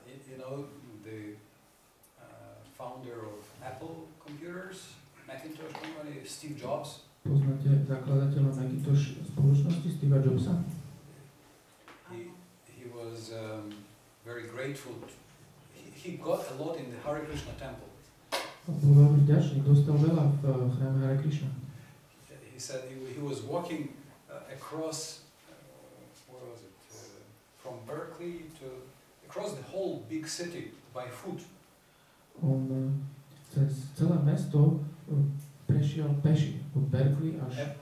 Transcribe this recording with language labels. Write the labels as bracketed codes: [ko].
[en] You know the founder of Apple computers, Macintosh company, Steve Jobs. [sk] Poznáte zakladateľa Macintosh spoločnosti Steve Jobsa? [en] He was very grateful. He got a lot in the Hare Krishna temple. [sk] Bol veľmi vďačný, dostal veľa v chráme Hare Krishna. [en] He said he was walking across what was it? From Berkeley to across the whole big city by foot. [sk] On cez celé mesto prešiel peši od Berkeley až